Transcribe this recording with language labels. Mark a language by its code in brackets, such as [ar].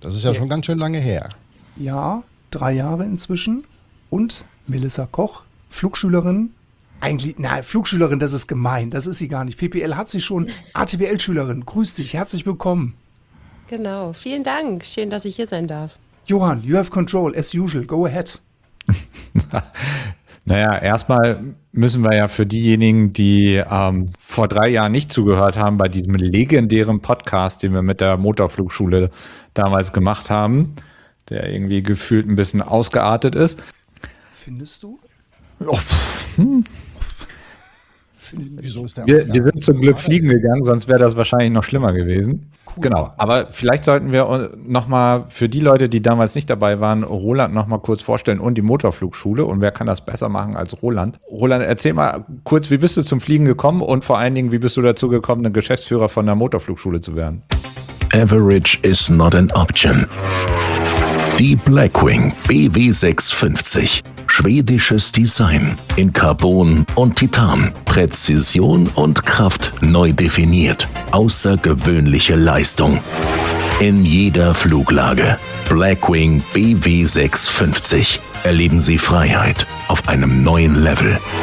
[de] Das ist ja schon ganz schön lange her. Ja, 3 Jahre inzwischen. Und Melissa Koch, Flugschülerin. Eigentlich, na, Flugschülerin, das ist gemein, das ist sie gar nicht. PPL hat sie schon, ATPL-Schülerin, grüß dich, herzlich willkommen. Genau, vielen Dank, schön, dass ich hier sein darf. [en] Johann, you have control, as usual, go ahead. [de] Naja, erstmal müssen wir ja für diejenigen, die vor 3 Jahren nicht zugehört haben, bei diesem legendären Podcast, den wir mit der Motorflugschule damals gemacht haben, der irgendwie gefühlt ein bisschen ausgeartet ist. Findest du? Wieso ist der wir sind zum Glück fliegen gegangen, sonst wäre das wahrscheinlich noch schlimmer gewesen. Cool. Genau, aber vielleicht sollten wir nochmal für die Leute, die damals nicht dabei waren, Roland nochmal kurz vorstellen und die Motorflugschule. Und wer kann das besser machen als Roland? Roland, erzähl mal kurz, wie bist du zum Fliegen gekommen und vor allen Dingen, wie bist du dazu gekommen, ein Geschäftsführer von der Motorflugschule zu werden? [en] Average is not an option. [de] Die Blackwing BW650. Schwedisches Design in Carbon und Titan. Präzision und Kraft neu definiert. Außergewöhnliche Leistung. In jeder Fluglage. Blackwing BW650. Erleben Sie Freiheit auf einem neuen Level.